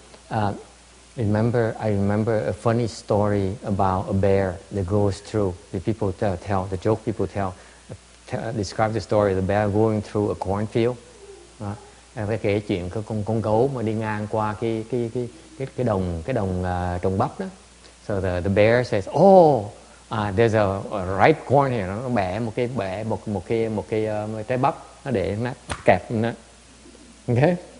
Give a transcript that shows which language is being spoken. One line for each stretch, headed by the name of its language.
English: I remember a funny story about a bear that goes through describe the story of the bear going through a cornfield.
Vietnamese: Phải kể chuyện con gấu mà đi ngang qua cái đồng trồng bắp đó.
English: So the bear says, oh, there's a ripe corn here.
Vietnamese: Nó bẻ một cái trái bắp, nó để nó kẹp nó.